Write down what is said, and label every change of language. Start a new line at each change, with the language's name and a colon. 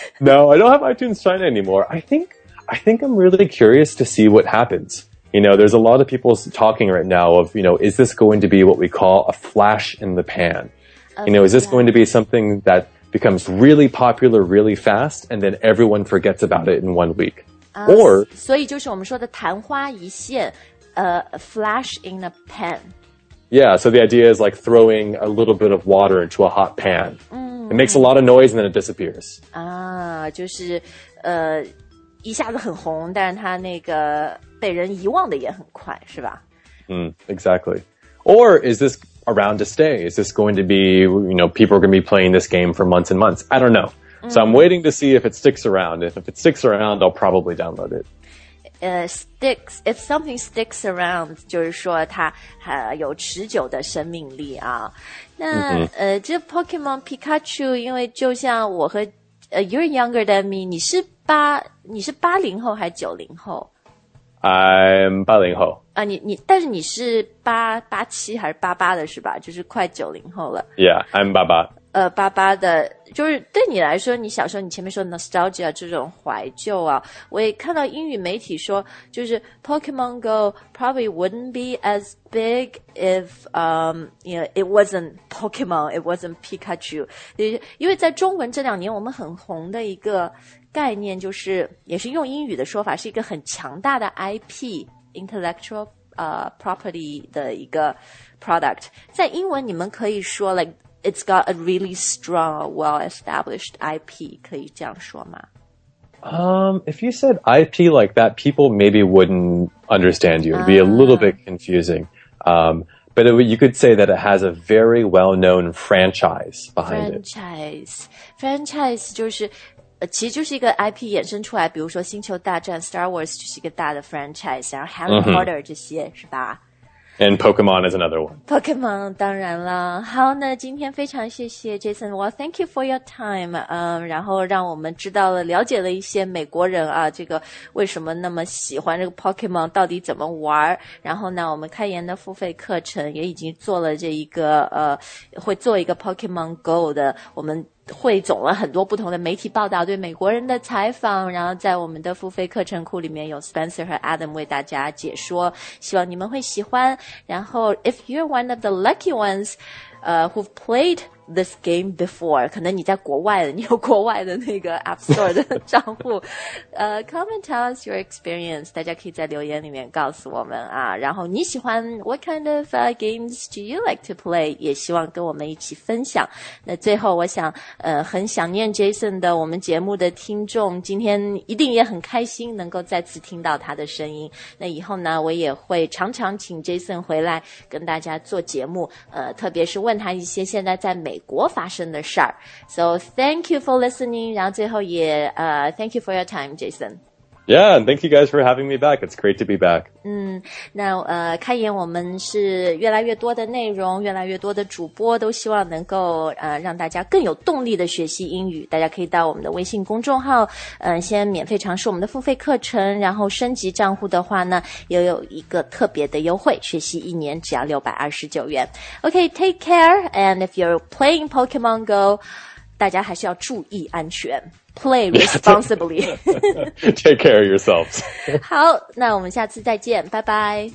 English: No, I don't have iTunes China anymore. I think I'm really curious to see what happens. You know, there's a lot of people talking right now of, you know, is this going to be what we call a flash in the pan? Okay, you know, is this going to be something that becomes really popular really fast and then everyone forgets about it in 1 week? Or,
Chinese: 所以就是我们说的昙花一现,
English: flash in a pan. Yeah, so the idea is like throwing a little bit of water into a hot pan.、 Mm. It makes a lot of noise and then it disappears.
Chinese: Ah, 就是一下子很红但是它那个被人遗忘的也很快是吧、
English: exactly. Or is this around to stay? Is this going to be, you know, people are going to be playing this game for months and months? I don't know.、Mm. So I'm waiting to see if it sticks around. If it sticks around, I'll probably download it. Sticks, if something sticks around,
Chinese: 就是说它、有持久的生命力啊。那、 mm-hmm. 这 Pokemon Pikachu, 因为就像我和、
English: you're younger than me,
Chinese: 你是80后还是90后?
English: I'm 80后。
Chinese: 啊、你但是你是87还是88的是吧? 就是快90后了。
English: Yeah, I'm 88。
Chinese: 88的就是对你来说你小时候你前面说 nostalgia 这种怀旧啊我也看到英语媒体说就是
English: Pokemon Go probably wouldn't be as big if you know, it wasn't Pokemon, it wasn't Pikachu.
Chinese: 因为在中文这两年我们很红的一个概念就是也是用英语的说法是一个很强大的 IP, intellectual, property 的一个 product. 在英文你们可以说 like,
English: it's got a really strong, well-established IP,
Chinese: 可以这样说吗？
English: If you said IP like that, people maybe wouldn't understand you. It'd be a little bit confusing. But it, you could say that it has a very well-known franchise behind franchise. it. Franchise.
Chinese: Franchise 就是、其实就是一个 IP 衍生出来，比如说星球大战 Star Wars 就是一个大的 franchise, 然后 Harry Potter 这些、mm-hmm. 是吧？
English: And Pokemon is another one.
Chinese: Pokemon, 当然了。好，那今天非常谢谢 Jason.
English: Well, thank you for your time.
Chinese: 然后让我们知道了，了解了一些美国人啊，这个为什么那么喜欢这个 Pokemon, 到底怎么玩。然后呢，我们开言的付费课程也已经做了这一个，会做一个 Pokemon Go 的，我们汇总了很多不同的媒体报道对美国人的采访，然后在我们的付费课程库里面有 Spencer 和 Adam 为大家解说，希望你们会喜欢。然后
English: If you're one of the lucky ones, who've played this game before,
Chinese: 可能你在国外的，你有国外的那个 App Store 的账户
English: come and tell us your experience,
Chinese: 大家可以在留言里面告诉我们啊。然后你喜欢
English: What kind of games do you like to play?
Chinese: 也希望跟我们一起分享。那最后我想很想念 Jason 的我们节目的听众，今天一定也很开心能够再次听到他的声音。那以后呢，我也会常常请 Jason 回来跟大家做节目，特别是问他一些现在在美国发生的事儿。
English: So thank you for listening.
Chinese: 然后最后也
English: thank you for your time, Jason. Yeah, and thank you guys for having me back. It's great to be back.
Chinese: 那开言我们是越来越多的内容，越来越多的主播都希望能够让大家更有动力的学习英语。大家可以到我们的微信公众号先免费尝试我们的付费课程，然后升级账户的话呢，也有一个特别的优惠，学习一年只要629元。
English: OK, take care, and if you're playing Pokemon Go,
Chinese: 大家还是要注意安全。
English: Play responsibly. Take care of yourselves.
Chinese: 好，那我们下次再见，拜拜。